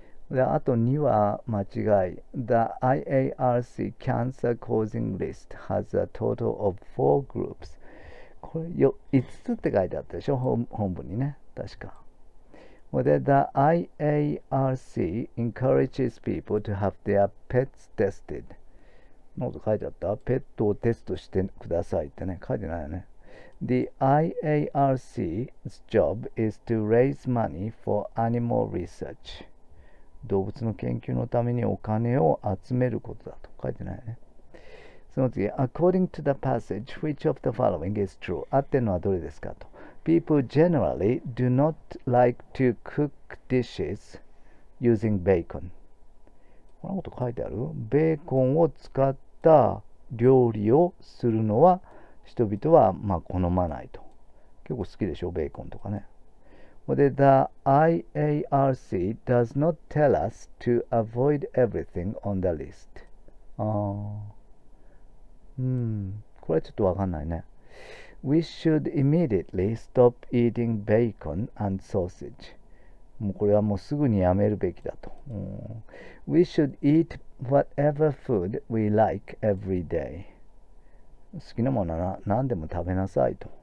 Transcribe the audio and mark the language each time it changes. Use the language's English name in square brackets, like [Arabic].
[Japanese] で、あと2は間違い。 [English] The IARC Cancer Causing List has a total of four groups。 [Japanese] これよ、5つって書いてあったでしょ、本文にね。確か。で、 [English] The IARC encourages people to have their pets tested。 [Japanese] ノート書いてあった？ペットをテストしてくださいってね。書いてないよね。 [English] The IARC's job is to raise money for animal research。 [Japanese] 動物の研究のためにお金を集めることだと書いてないね。その次、 [English] According to the passage, which of the following is true? [Japanese] あってのはどれですかと。 [English] People generally do not like to cook dishes using bacon。 [Japanese] こんなこと書いてある？ベーコンを使った料理をするのは人々はまあ好まないと。結構好きでしょ、ベーコンとかね。 [English] で、The IARC does not tell us to avoid everything on the list。 [Japanese] これはちょっとわかんないね。 [English] We should immediately stop eating bacon and sausage。 [Japanese] もうこれはもうすぐにやめるべきだと。 [English] We should eat whatever food we like every day。 [Japanese] 好きなものは何でも食べなさいと。